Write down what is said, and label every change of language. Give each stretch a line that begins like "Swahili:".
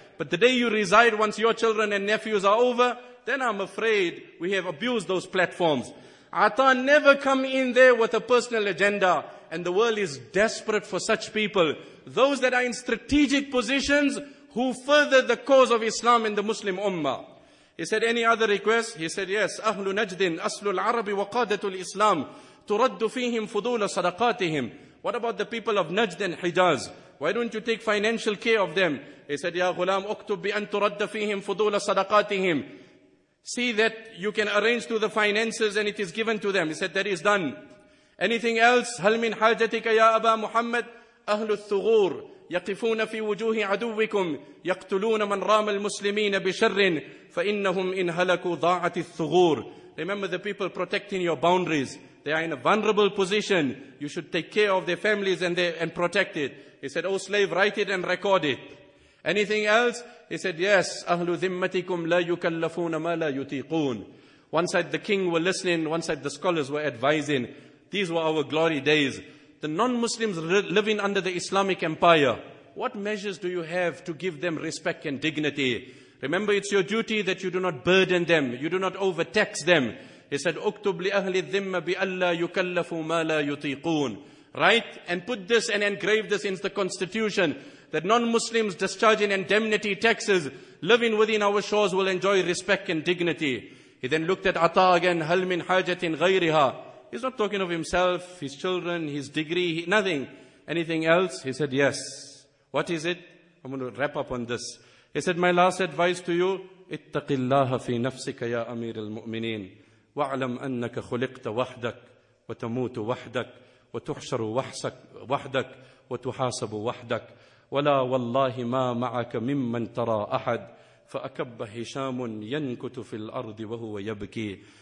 English: But the day you reside, once your children and nephews are over, then I'm afraid we have abused those platforms. Ata never come in there with a personal agenda. And the world is desperate for such people. Those that are in strategic positions who further the cause of Islam and the Muslim Ummah. He said, any other request? He said, yes.
Arabic: أهل نجد أصل العرب وقادة الإسلام ترد فيهم فضول صدقاتهم.
English: What about the people of Najd and Hijaz? Why don't you take financial care of them? He said,
Arabic: يا غلام أكتب بأن ترد فيهم فضول صدقاتهم.
English: See that you can arrange to the finances and it is given to them. He said, that is done. Anything else?
Arabic: هل من حاجتك يا أبا محمد؟ أهل الثغور يقفون في وجوه عدوكم يقتلون من رام المسلمين بشر فإنهم إن هلكوا ضاعت الثغور.
English: Remember the people protecting your boundaries. They are in a vulnerable position. You should take care of their families and protect it. He said, oh slave, write it and record it. Anything else? He said, yes.
Arabic: أهل ذمتكم لا يكلفون ما لا يطيقون.
English: One side the king were listening, one side the scholars were advising. These were our glory days. The non-Muslims living under the Islamic empire, what measures do you have to give them respect and dignity? Remember, it's your duty that you do not burden them, you do not overtax them. He said,
Arabic: أكتب لأهل الذمة بألا يكلفوا ما لا يطيقون.
English: Right? And put this and engrave this in the constitution, that non-Muslims discharging indemnity taxes, living within our shores will enjoy respect and dignity. He then looked at Ata again,
Arabic: هل من حاجة غيرها.
English: He's not talking of himself, his children, his degree, nothing. Anything else? He said, yes. What is it? I'm going to wrap up on this. He said, my last advice to you,
Arabic: اتق الله في نفسك يا أمير المؤمنين واعلم أنك خلقت وحدك وتموت وحدك وتحشر وحدك وتحاسب وحدك ولا والله ما معك ممن ترى أحد فأكب هشام ينكت في الأرض وهو يبكي.